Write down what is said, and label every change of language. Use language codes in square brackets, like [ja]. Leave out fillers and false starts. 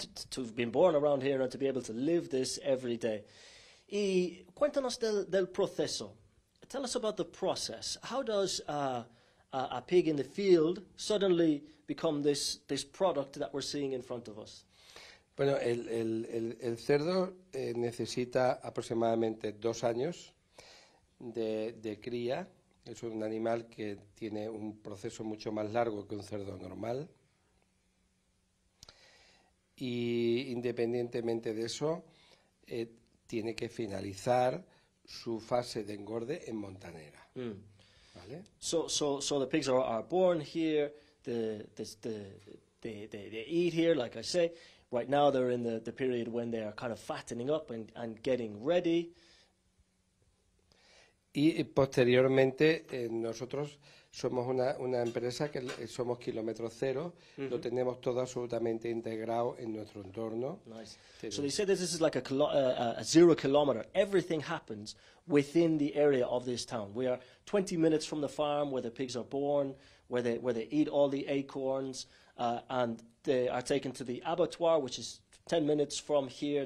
[en] to have been born around here and to be able to live this every day. [es] Y cuéntanos del proceso. [en] Tell us about the process. How does a pig in the field suddenly become this product that we're seeing in front of us? [es] Bueno, el cerdo necesita aproximadamente 2 años de cría. Es un animal que tiene un proceso mucho más largo que un cerdo normal. Y independientemente de eso, tiene que finalizar su fase de engorde en montanera. Mm. ¿Vale? [en] So the pigs are born here, they eat here, like I say. Right now they're in the period when they are kind of fattening up and getting ready. [es] Y posteriormente nosotros somos una empresa que somos kilómetro cero, mm-hmm. lo tenemos todo absolutamente integrado en nuestro entorno. [en] Nice. So they said this is like a 0 kilometer. Everything happens within the area of this town. We are 20 minutes from the farm where the pigs are born, where they eat all the acorns, and they are taken to the abattoir, which is 10 minutes from here.